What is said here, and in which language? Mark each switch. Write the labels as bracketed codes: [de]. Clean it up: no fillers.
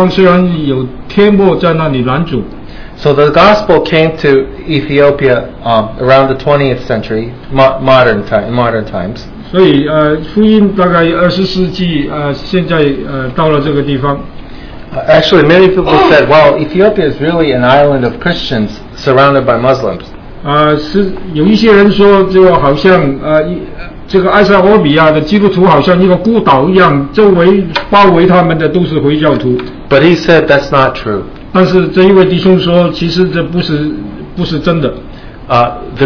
[zh] 但是我们却看见福音也传到这个地方，虽然有天幕在那里拦阻。 [en] So the gospel came to Ethiopia around the 20th century, modern times. [zh] 所以福音大概24世纪现在到了这个地方。 [en] Actually, many people said, well, Ethiopia is really an island of Christians surrounded by Muslims. [zh] 有一些人说就好像这个埃塞俄比亚的基督徒好像一个孤岛一样，周围包围他们的都是回教徒。 [en] But he said that's not true. [zh] 但是这一位弟兄说其实这不是真的。 [en] The